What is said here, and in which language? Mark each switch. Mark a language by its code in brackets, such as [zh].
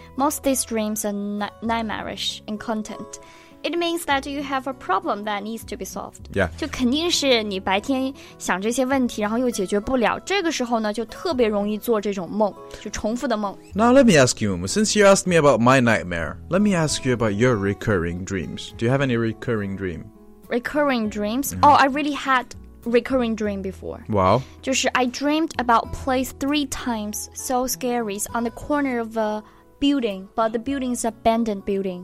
[en] Most of these dreams are nightmarish in content. It means that you have a problem that needs to be solved. Yeah. [zh] 就肯定是你白天想这些问题然后又解决不了这个时候呢就特别容易做这种梦就重复的梦 [en] Now let me ask you, since you asked me about my nightmare, let me ask you about your recurring dreams. Do you have any recurring dream Recurring dreams. Mm-hmm. Oh, I really had recurring dream before. Wow. 就是 I dreamed about place three times, so scary, on the corner of a building, but the building's abandoned building.